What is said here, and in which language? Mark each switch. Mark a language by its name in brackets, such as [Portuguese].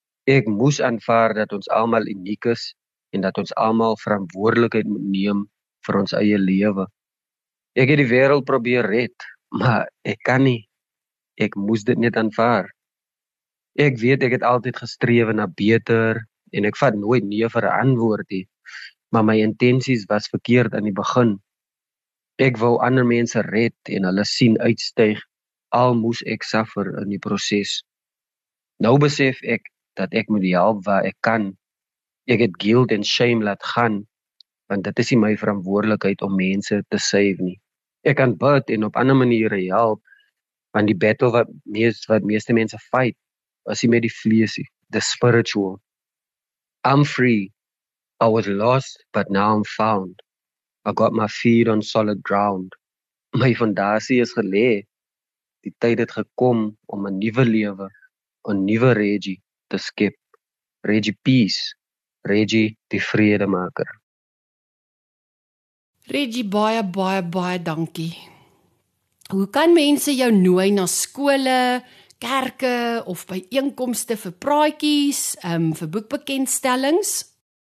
[Afrikaans] Ek moes aanvaar dat ons allemaal uniek is en dat ons allemaal verantwoordelikheid moet neem vir ons eie lewe. Ek het die wêreld probeer red, maar ek kan nie. Ek moes dit net aanvaar. Ek weet ek het altyd gestrewe na beter en ek vat nooit nee vir 'n antwoord nie. Maar my intensies was verkeerd aan die begin. Ek wou ander mense red en hulle sien uitstyg, al moes ek suffer in die proses. Nou besef ek dat ek moet help waar ek kan. Ek het guilt en shame laat gaan, want dit is nie my verantwoordelikheid om mense te save nie. Ek kan bid en op ander maniere help, want die battle wat meeste mense fight, is nie met die vlees nie, [English] the spiritual. I'm free. I was lost, but now I'm found. I got my feet on solid ground. [Afrikaans] My fondasie is gelê. Die tyd het gekom om 'n nuwe lewe, 'n nuwe Reggie te skep. Reggie Peace, Reggie die vredemaker. Reggie, baie baie baie dankie. Hoe kan mense jou nooi na skole, kerke of by einkomste vir praatjies, vir boekbekendstellings?